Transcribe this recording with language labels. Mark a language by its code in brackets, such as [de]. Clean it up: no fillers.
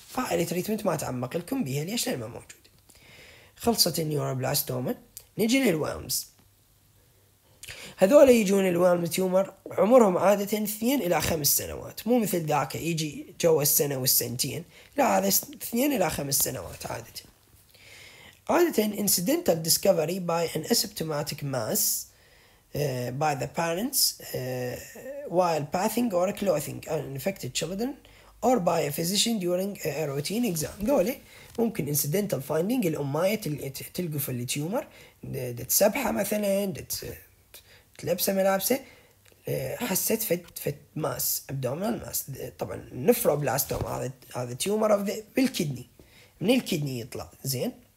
[ar] فعلي تريتمنت ما اتعمق لكم بيها ليش لان ما موجود. خلصت النيوروبلاستوما، نجي للوامز. هذول يجون الوام تيومر عمرهم عادة 2 إلى 5 سنوات، مو مثل ذاك يجي جوا السنة والسنتين، لا هذا 2 إلى 5 سنوات عادة. عادة [en] incidental discovery by an asymptomatic mass by the parents while bathing or clothing an infected children or by a physician during a routine exam. [ar] ذولي ممكن [en] incidental finding [ar] الأمية تلقف التيومر تسبحة مثلا تلبسه ملابسه حسيت فت ماس ابدومينال ماس. طبعا نيفروبلاستوم هذا تيومر اوف ذا بالكيدني، من الكيدني يطلع زين.